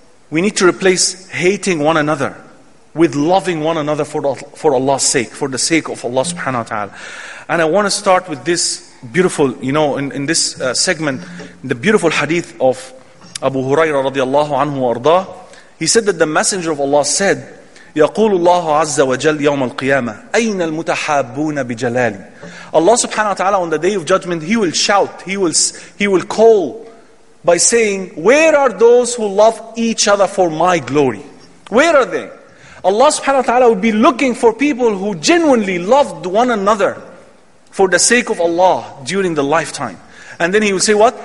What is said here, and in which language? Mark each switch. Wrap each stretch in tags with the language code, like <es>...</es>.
<en>We need to replace hating one another with loving one another for Allah's sake, for the sake of Allah subhanahu wa ta'ala. And I want to start with this beautiful, you know, in this segment, the beautiful hadith of Abu Huraira radiallahu anhu arda. He said that the Messenger of Allah said,</en> <ar>يقول الله عز وجل يوم القيامة أين المتحابون بجلالي.</ar> <en>Allah subhanahu wa ta'ala on the day of judgment, he will shout, he will call by saying, where are those who love each other for my glory? Where are they? Allah subhanahu wa ta'ala will be looking for people who genuinely loved one another for the sake of Allah during the lifetime. And then he will say what?</en>